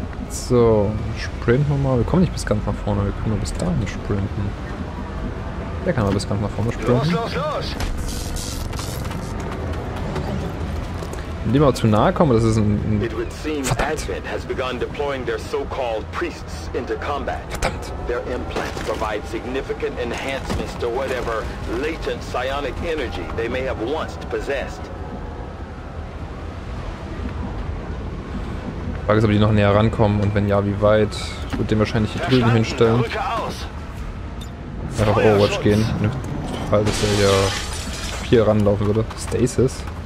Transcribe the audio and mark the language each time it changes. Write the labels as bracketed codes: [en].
[de] So, sprinten wir mal. Wir kommen nicht bis ganz nach vorne, wir können nur bis dahin sprinten. Der kann aber bis ganz nach vorne sprinten. Los, los, los! dem auch zu nahe komme, das ist ein... [en] It would seem Advent has begun deploying their so-called priests into combat. [de] Verdammt. [en] Their implants provide significant enhancements to whatever latent psionic energy they may have once possessed. [de] Frage ist, ob die noch näher rankommen und wenn ja, wie weit? Ich würde den wahrscheinlich hier drüben hinstellen. Einfach Overwatch gehen. Falls dass er hier vier ranlaufen würde. Stasis.